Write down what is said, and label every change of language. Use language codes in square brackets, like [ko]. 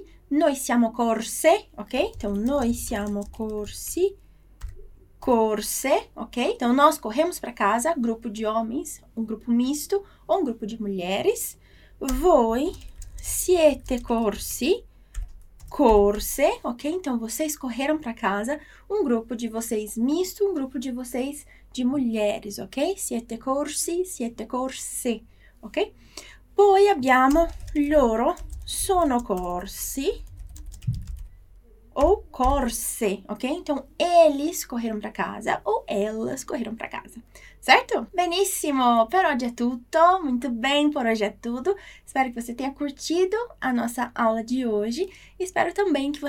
[it] Noi siamo corse, ok? Então noi siamo corsi. [pt] Corse, ok? Então nós corremos para casa, grupo de homens, um grupo misto ou um grupo de mulheres. [it] Voi siete corsi, corse, ok? [pt] Então vocês correram para casa, um grupo de vocês misto, um grupo de vocês de mulheres, ok? [it] Siete corsi, siete corse, ok? Poi abbiamo loro sono corsi. Ou corse, ok? [pt] Então, eles correram para casa ou elas correram para casa, certo? Benissimo! [it] Per oggi [pt] é tudo. Muito bem, por hoje é tudo. Espero que você tenha curtido a nossa aula de hoje. Espero também que você faça a tua prática no Memorization Hack, ok?